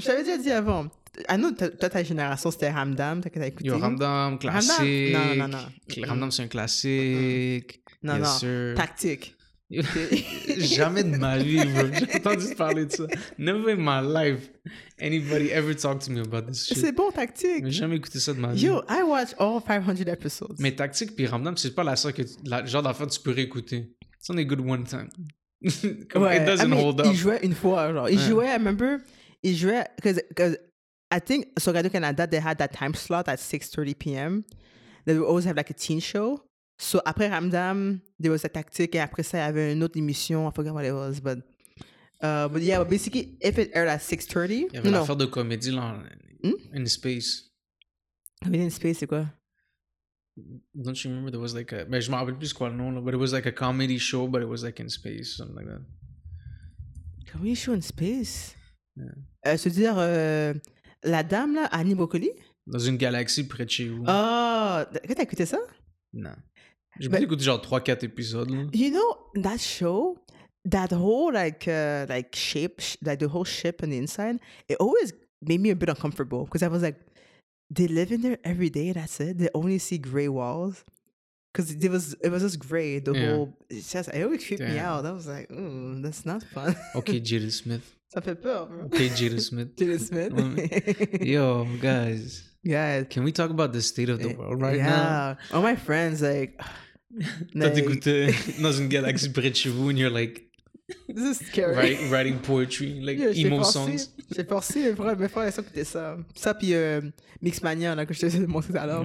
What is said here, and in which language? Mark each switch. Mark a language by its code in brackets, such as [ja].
[fr] Mais je t'avais déjà dit avant. À nous, toi, ta génération, c'était Ramdam, t'as écouté. Yo, Ramdam, classique. Ramdam, Ramdam, c'est un classique. Mm-hmm. Non, yes, sir. Tactique. Jamais de ma vie, bro. J'ai entendu parler de ça. [en] Never in my life anybody ever talked to me about this shit. [fr] C'est bon, Tactique. J'ai jamais écouté ça de ma vie. [en] Yo, I watch all 500 episodes. [fr] Mais Tactique puis Ramdam, c'est pas la genre d'affaire que tu peux réécouter. [en] It's only good one time. [fr] Ouais, [en] it doesn't hold up. [fr] Il jouait une fois, genre. Il jouait, [en] because I think so Radio-Canada, they had that time slot at 6:30 p.m. They would always have like a teen show. [fr] So après Ramdam, [en] there was a tactic, [fr] and après ça, il y avait une autre émission. [en] I forgot what it was, but yeah, but basically, if it aired at 6:30, [fr] il y avait l'affaire de comédie là, [en] in space. I mean, in space, [fr] c'est quoi? [en] Don't you remember there was like a, [fr] mais je m'en rappelle plus quoi le nom, [en] but it was like a comedy show, but it was like in space, something like that. Comedy show in space? Yeah. Se dire. [fr] La dame, là, à Annie Brocoli? Dans une galaxie près de chez vous. Oh! T'as écouté ça? Non. J'ai pas écouté genre 3-4 épisodes, là. [en] You know, that show, that whole, like shape, like, the whole ship on the inside, it always made me a bit uncomfortable. Because I was like, they live in there every day, that's it? They only see gray walls? Because it was just gray, the whole... It, just, it always creeped me out. I was like, that's not fun. Okay, Jada Smith. [fr] Ça fait peur, bro. [en] Okay, Jada Smith. Jada Smith. Yo, guys. Guys. Can we talk about the state of the world right now? Yeah. All my friends, like... [fr] T'as écouté dans une galaxie près de chez vous [en] and you're like... This is scary. Writing poetry, like emo songs. [fr] J'ai forcé, mais vraiment, mes frères, ils ont écouté ça. Ça, puis Mixmania, là, que je t'ai montré tout à l'heure.